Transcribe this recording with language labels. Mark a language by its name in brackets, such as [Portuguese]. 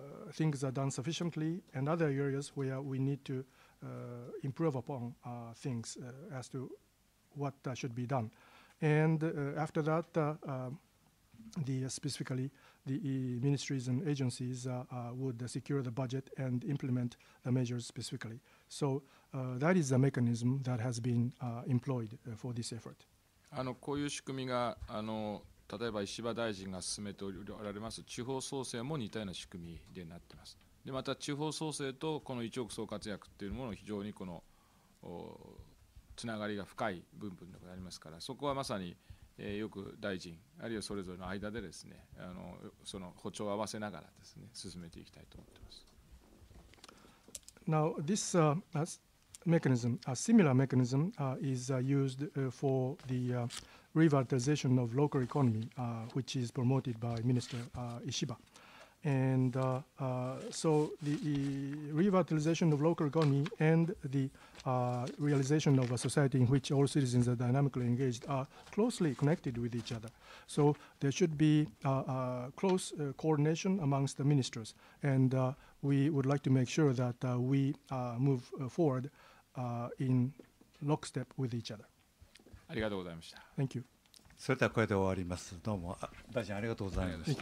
[English] Things are done sufficiently, and other areas where we need to improve upon things as to what should be done. And after that, specifically the ministries and agencies would secure the budget and implement the measures specifically. So that is the mechanism that has been employed for this effort. [Japanese] こういう仕組みが例えば石破大臣が進めておられます地方創生も似たような仕組みでなっています。でまた地方創生とこの1億総活躍というものを非常にこのつながりが深い部分でありますから、そこはまさに、よく大臣あるいはそれぞれの間でですね、その歩調を合わせながらですね進めていきたいと思っています。 [English] Now this mechanism, a similar mechanism is used for the revitalization of local economy, which is promoted by Minister Ishiba. And so the revitalization of local economy and the realization of a society in which all citizens are dynamically engaged are closely connected with each other. So there should be close coordination amongst the ministers. And we would like to make sure that we move forward in lockstep with each other. [Japanese] ありがとうございました。 [English] Thank you. [Japanese] それではこれで終わります。どうも大臣ありがとうございました。